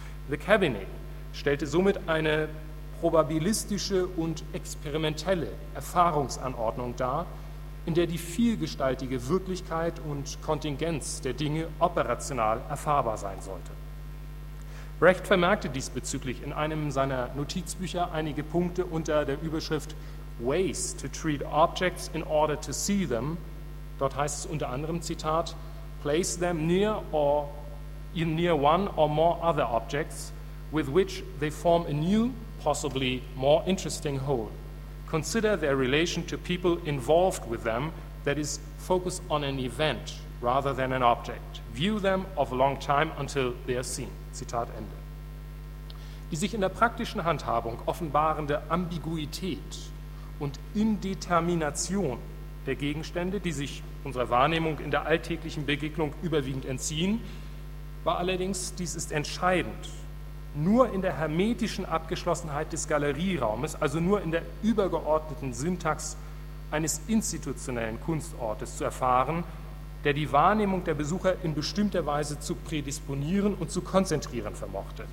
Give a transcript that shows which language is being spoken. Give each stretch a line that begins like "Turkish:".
German: The Cabinet stellte somit eine probabilistische und experimentelle Erfahrungsanordnung dar, in der die vielgestaltige Wirklichkeit und Kontingenz der Dinge operational erfahrbar sein sollte. Brecht vermerkte diesbezüglich in einem seiner Notizbücher einige Punkte unter der Überschrift
English: Ways to treat objects in order to see them.
German: Dort heißt es unter anderem, Zitat,
English: place them near one or more other objects with which they form a new, possibly more interesting whole. Consider their relation to people involved with them, that is, focus on an event rather than an object. View them of a long time until they are seen.
German: Zitat Ende. Die sich in der praktischen Handhabung offenbarende Ambiguität und Indetermination der Gegenstände, die sich unserer Wahrnehmung in der alltäglichen Begegnung überwiegend entziehen, war allerdings, dies ist entscheidend, nur in der hermetischen Abgeschlossenheit des Galerieraumes, also nur in der übergeordneten Syntax eines institutionellen Kunstortes zu erfahren, der die Wahrnehmung der Besucher in bestimmter Weise zu prädisponieren und zu konzentrieren vermochte.